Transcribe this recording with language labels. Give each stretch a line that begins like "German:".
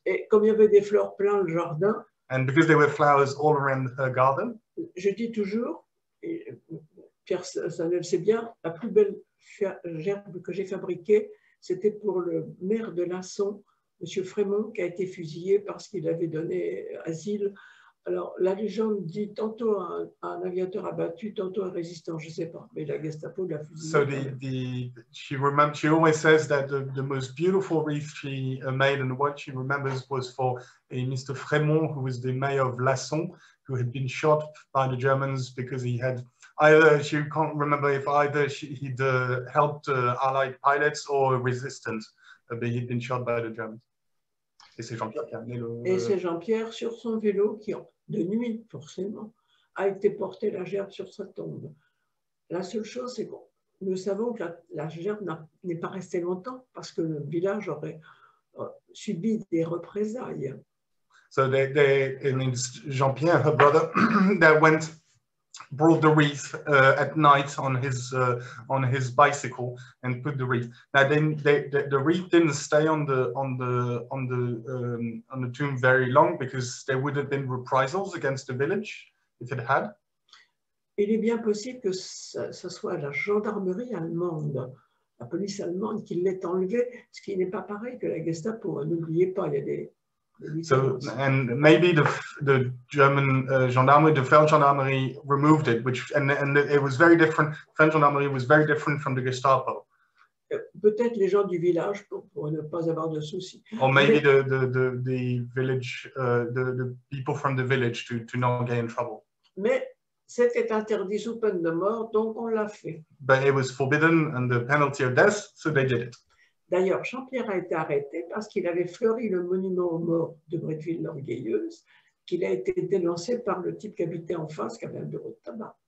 French: Et comme il y avait des fleurs plein le jardin,
English: and because there were flowers all around her garden,
French: je dis toujours, et Pierre Sanel sait bien, la plus belle gerbe que j'ai fabriquée, c'était pour le maire de Lasson, M. Frémont, qui a été fusillé parce qu'il avait donné asile. Alors, la légende dit tantôt un aviateur abattu, tantôt un résistant, je ne sais pas, mais la Gestapo l'a fusillé.
English: So, she always says that the most beautiful wreath she made and what she remembers was for a Mr. Frémont, who was the mayor of Lasson, who had been shot by the Germans because he had. Either she can't remember if either he'd helped Allied pilots or resistance, but he'd been shot by the Germans.
French: Et c'est Jean-Pierre qui a amené le. Et c'est Jean-Pierre sur son vélo qui, de nuit forcément, a été porté la gerbe sur sa tombe. La seule chose, c'est que nous savons que la gerbe n'est pas restée longtemps parce que le village aurait subi des représailles.
English: So they and it's Jean-Pierre, her brother, that went. Brought the wreath at night on his bicycle and put the wreath. Now then the wreath didn't stay on the tomb very long because there would have been reprisals against the village if it had.
French: Il est bien possible que ce soit la gendarmerie allemande, la police allemande qui l'ait enlevé, ce qui n'est pas pareil que la Gestapo. N'oubliez pas, il y a des.
English: So, and maybe the German gendarmerie, the French gendarmerie removed it, which, and it was very different, French gendarmerie was very different from the Gestapo.
French: Peut-être les gens du village pour ne pas avoir de soucis.
English: Or maybe the village, the people from the village to not get in trouble.
French: Mais c'était interdit sous peine de mort, donc on l'a fait.
English: But it was forbidden under penalty of death, so they did it.
French: D'ailleurs, Jean-Pierre a été arrêté parce qu'il avait fleuri le monument aux morts de Bretteville l'Orgueilleuse, qu'il a été dénoncé par le type qui habitait en face, qui avait un bureau de tabac.